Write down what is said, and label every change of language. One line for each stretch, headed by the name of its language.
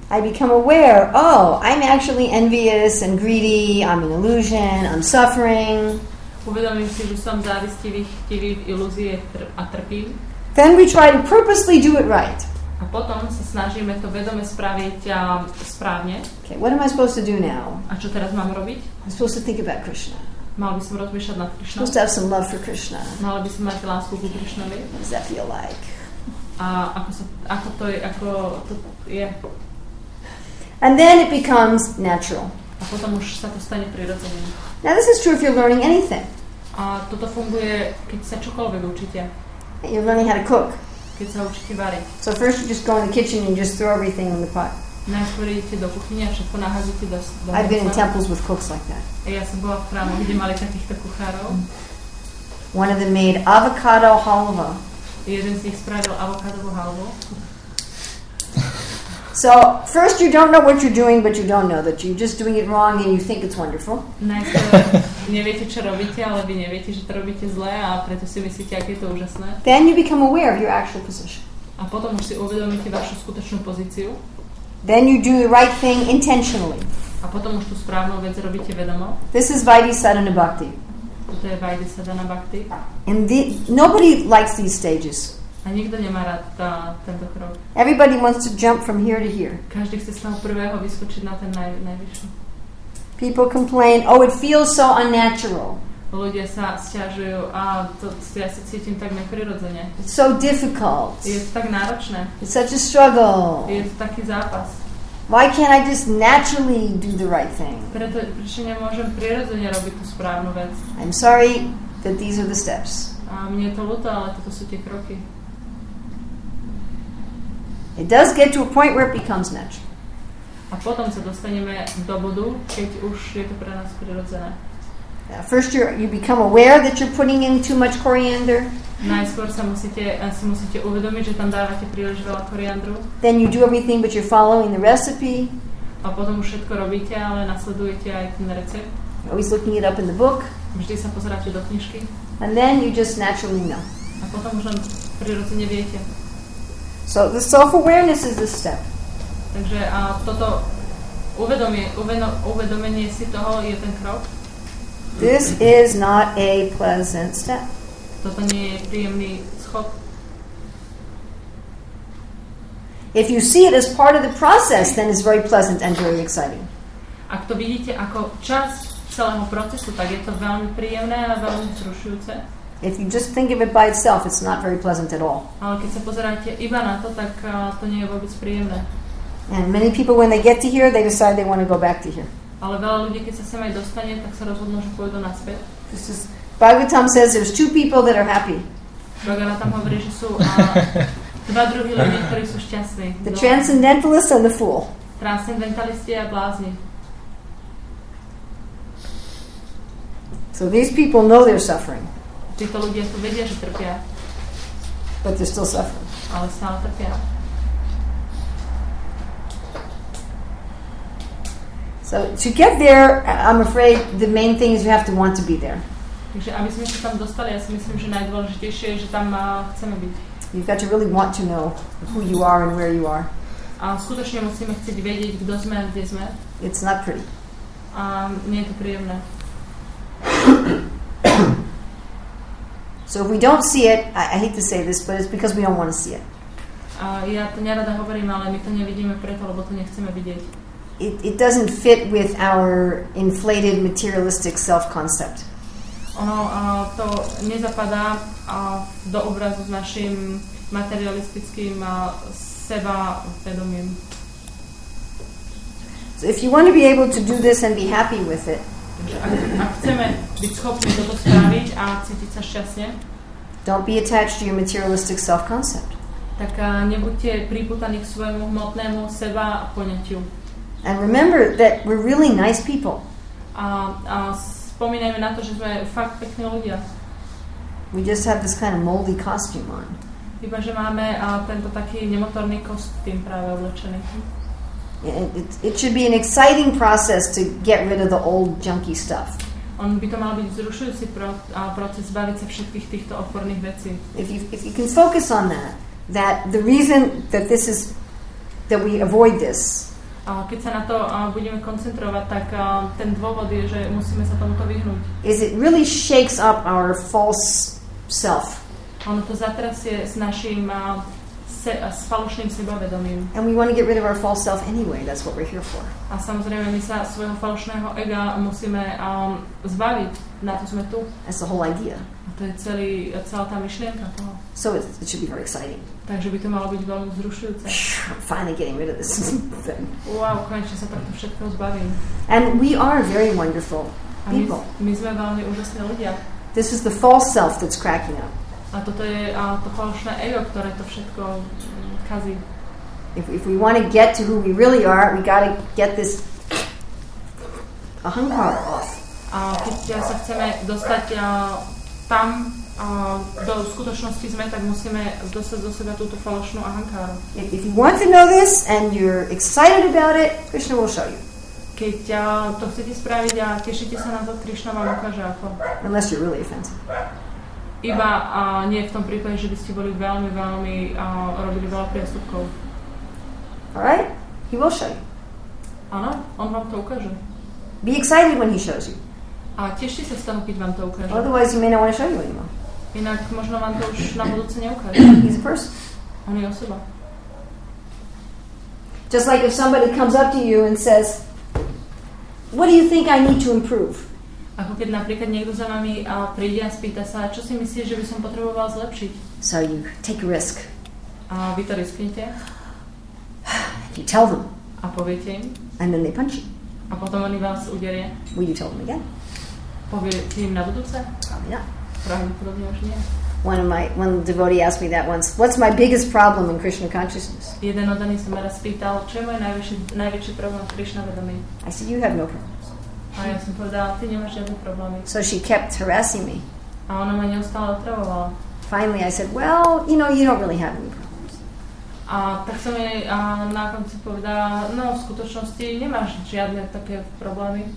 English: I become aware, oh, I'm actually envious and greedy, I'm an illusion, I'm suffering.
Slovak: Uvedomím si, že som závistivý, chtivý, v ilúzie a trpím.
English: Then we try to purposely do it right.
Slovak: A potom sa snažíme to vedome spraviť správne.
English: Okay, what am I supposed to do now?
Slovak: A čo teraz mám robiť?
English: I'm supposed to think about Krishna.
Slovak: Mal by som rozmýšľať nad Krishna.
English: Supposed to have some love for Krishna.
Slovak: Mal by som mať lásku ku Krishnovi.
English: What does that feel like?
Slovak: A ako, sa, ako to je, ako to je.
English: And then it becomes natural.
Slovak: A potom už sa to stane prirodzeným.
English: Now this is true if you're learning anything.
Slovak: A toto funguje, keď sa čokoľvek učíte.
English: You're learning how to cook.
Slovak: Keď sa učíte variť.
English: So first you just go in the kitchen and just throw everything in the pot.
Slovak: Najskôr idete do kuchyne a všetko naházite do I've mesa.
English: Been in temples with cooks like that.
Slovak: A ja som bola v chráme, kde mali takýchto kuchárov.
English: One of them made avocado halva.
Slovak: Jeden z nich spravil avokádovú halvu.
English: So, first you don't know what you're doing, but you don't know that you're just doing it wrong and you think it's wonderful.
Slovak: Neviete, čo robíte, ale vy neviete, že to robíte zle a preto si myslíte, aké je to úžasné.
English: Then you become aware of your actual position.
Slovak: A potom už si uvedomíte vašu skutočnú pozíciu.
English: Then you do the right thing intentionally.
Slovak: A potom už tú správnu vec robíte vedomo.
English: This is Vaidhi Sadhana Bhakti.
Slovak: Toto je Vaidhi Sadhana Bhakti.
English: And the, nobody likes these stages.
Slovak: A nikto nemá rád tento krok.
English: Everybody wants to jump from here to here.
Slovak: Každý chce z toho prvého vyskočiť na ten najvyšší.
English: People complain, oh, it feels so unnatural.
Slovak: Ľudia sa sťažujú, a to ja sa cítim tak neprirodzene.
English: It's so difficult.
Slovak: Je to tak náročné.
English: It's such a struggle.
Slovak: Je to taký zápas.
English: Why can't I just naturally do the right thing?
Slovak: Prečo nemôžem prirodzene robiť tú správnu vec?
English: I'm sorry that these are the steps.
Slovak: A mne je to ľúto, ale toto sú tie kroky.
English: It does get to a point where it becomes natural.
Slovak: A potom sa dostaneme do bodu, keď už je to pre nás prirodzené.
English: First you become aware that you're putting in too much coriander.
Slovak: Najskôr si musíte uvedomiť, že tam dávate príliš veľa koriandru.
English: Then you do everything but you're following the recipe.
Slovak: A potom už všetko robíte, ale nasledujete aj ten recept.
English: You're always looking it up in the book.
Slovak: Vždy sa pozeráte do knižky.
English: And then you just naturally know.
Slovak: A potom už len prirodzene viete.
English: So the self-awareness is the step.
Slovak: Takže a toto uvedomenie si toho je ten krok.
English: This is not a pleasant step.
Slovak: Toto nie je príjemný schod.
English: If you see it as part of the process, then it's very pleasant and very exciting.
Slovak: Ak to vidíte ako časť celého procesu, tak je to veľmi príjemné a veľmi vzrušujúce.
English: If you just think of it by itself, it's not very pleasant at all.
Slovak: Ale keď sa pozeráte iba na to, tak to nie je vôbec príjemné.
English: And many people when they get to here, they decide they want to go back to here.
Slovak: Ale veľa ľudí, keď sa sem aj dostane, tak sa rozhodnú, že pôjdu naspäť.
English: This is Bhagavatam says there's two people that are happy.
Slovak: Bhagavatam hovorí, že sú dva druhy ľudí, ktorí sú šťastní.
English: The transcendentalist and the fool.
Slovak: Transcendentalisti a blázni.
English: So these people know they're suffering.
Slovak: Títo ľudia to vedia, že trpia.
English: But they're still suffering.
Slovak: Ale stále trpia.
English: So to get there, I'm afraid the main thing is you have to want to be there.
Slovak: Takže aby sme sa tam dostali, ja si myslím, že najdôležitejšie je, že tam chceme byť.
English: You've got to really want to know who you are and where you are.
Slovak: A skutočne musíme chcieť vedieť, kto sme a kde sme.
English: It's not pretty.
Slovak: A nie je to príjemné.
English: So if we don't see it, I hate to say this, but it's because we don't want to see it.
Slovak: Ja to nerada hovorím, ale my to nevidíme preto, lebo to nechceme vidieť.
English: It doesn't fit with our inflated materialistic self-concept.
Slovak: Ono to nezapadá do obrazu s našim materialistickým sebavedomím.
English: So if you want to be able to do this and be happy with it,
Slovak: ak chceme byť schopní toto spraviť a cítiť sa šťastne,
English: don't be attached to your materialistic self-concept.
Slovak: Tak nebuďte pripútaní k svojemu hmotnému seba poňatiu.
English: And remember that we're really nice people.
Slovak: A spomínajme na to, že sme fakt pekní ľudia.
English: We just have this kind of moldy costume on.
Slovak: Iba že máme tento taký nemotorný kostým práve oblečený.
English: It should be an exciting process to get rid of the old junky stuff.
Slovak: On by to mal byť vzrušujúci proces zbaviť sa všetkých týchto odporných vecí.
English: If you can focus on that the reason that this is that we avoid this.
Slovak: A keď sa na to budeme koncentrovať, tak ten dôvod je, že musíme sa tomuto vyhnúť.
English: Is it really shakes up our false self.
Slovak: Ono to zatrasie s našim s falošným sebavedomím.
English: And we want to get rid of our false self anyway. That's what we're here for.
Slovak: A samozrejme my sa svojho falošného ega musíme zbaviť. Na to sme tu.
English: That's the whole idea.
Slovak: A to je celá tá myšlienka toho.
English: So it should be very exciting.
Slovak: Takže by to malo byť veľmi vzrušujúce.
English: I'm finally getting rid of this thing.
Slovak: Wow, konečne sa takto všetko zbavím.
English: And we are very wonderful people.
Slovak: My sme veľmi úžasné ľudia.
English: This is the false self that's cracking up.
Slovak: A toto je to falošné ego, ktoré to všetko kazí.
English: If we want to get to who we really are, we got to get this ahankar off.
Slovak: A keď sa chceme dostať tam do skutočnosti sme, tak musíme dostať do seba túto falošnú ahankáru.
English: If you want to know this and you're excited about it, Krishna will show you.
Slovak: Keď to chcete spraviť a tešíte sa na to, Krishna vám ukáže ako.
English: Unless you're really offensive.
Slovak: Iba nie v tom prípade, že by ste boli veľmi, veľmi robili veľa priestupkov.
English: Alright? He will show you.
Slovak: Áno, on vám to ukáže.
English: Be excited when he shows you.
Slovak: A tešte sa z toho, keď vám to ukáže.
English: Otherwise you may not want to show you anymore.
Slovak: Inak možno vám to už na budúce neukáže.
English: He's a person.
Slovak: On je osoba.
English: Just like if somebody comes up to you and says, what do you think I need to improve?
Slovak: Ako keď napríklad niekto za vami príde a spýta sa, čo si myslíš, že by som potreboval zlepšiť?
English: So you take a risk.
Slovak: A vy to risknete?
English: You tell them.
Slovak: A poviete im?
English: And then they punch you.
Slovak: A potom oni vás uderie?
English: Will you tell them again?
Slovak: Poviete im na budúce?
English: Probably not.
Slovak: Pravdepodobne už nie.
English: One devotee asked me that once, what's my biggest problem in Krishna consciousness?
Slovak: Jeden oddaný sa ma raz spýtal, čo je môj najväčší problém v Krishna vedomí?
English: I said, you have no problem.
Slovak: A ja som povedala, ty nemáš žiadne problémy.
English: So she kept harassing me.
Slovak: A ona ma neustále otravovala.
English: Finally I said, well, you know, you don't really have any problems.
Slovak: A tak som jej na konci povedala, no, v skutočnosti nemáš žiadne také problémy.